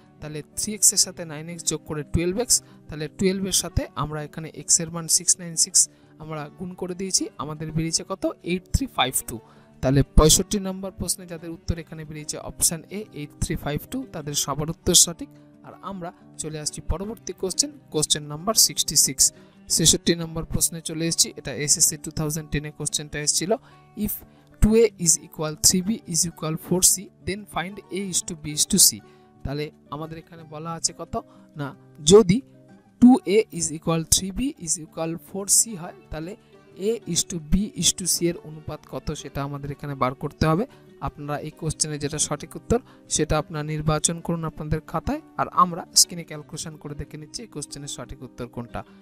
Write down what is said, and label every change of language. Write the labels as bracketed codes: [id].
[bn] তাহলে 3x এর সাথে 9x যোগ করে 12x, তাহলে 12-এর সাথে আমরা এখানে x এর মান 696 আমরা গুণ করে দিয়েছি, আমাদের বেরিয়েছে কত 8352। তাহলে 65 নম্বর প্রশ্নে যাদের উত্তর এখানে বেরিয়েছে অপশান এ 8352, তাদের সবার উত্তর সঠিক। আর আমরা চলে আসছি পরবর্তী কোশ্চেন, কোশ্চেন নাম্বার 66 নম্বর প্রশ্নে চলে এসেছি। এটা এসএসসি 2010 কোশ্চেনটা এসেছিল। [en] If 2a = 3b = 4c, then find a:b:c। [bn] তাহলে আমাদের এখানে বলা আছে কত না যদি 2a = 3b = 4c হয়, তাহলে a:b:c এর অনুপাত কত সেটা আমাদের এখানে বার করতে হবে। আপনারা এই কোশ্চেনে যেটা সঠিক উত্তর সেটা আপনারা নির্বাচন করুন আপনাদের খাতায়, আর আমরা স্ক্রিনে ক্যালকুলেশন করে দেখে নিচ্ছি এই কোশ্চেনের সঠিক উত্তর কোনটা।